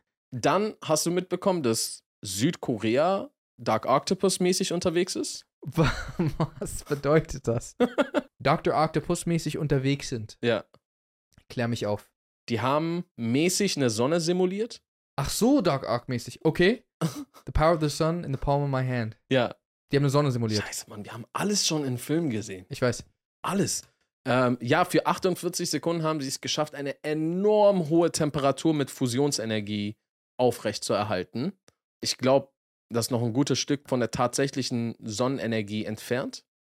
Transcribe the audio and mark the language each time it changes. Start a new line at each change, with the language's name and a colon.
German: Dann hast du mitbekommen, dass Südkorea Dark Octopus-mäßig unterwegs ist? Was bedeutet das? Dr. Octopus-mäßig unterwegs sind? Ja. Klär mich auf. Die haben mäßig eine Sonne simuliert. Ach so, Dark Arc mäßig. Okay.
English: The power of the sun in the palm of my hand.
German: Ja. Die haben eine Sonne simuliert. Scheiße, Mann. Wir haben alles schon in Filmen gesehen. Ich weiß. Alles. Ja, für 48 Sekunden haben sie es geschafft, eine enorm hohe Temperatur mit Fusionsenergie aufrecht zu erhalten. Ich glaube, das ist noch ein gutes Stück von der tatsächlichen Sonnenenergie entfernt.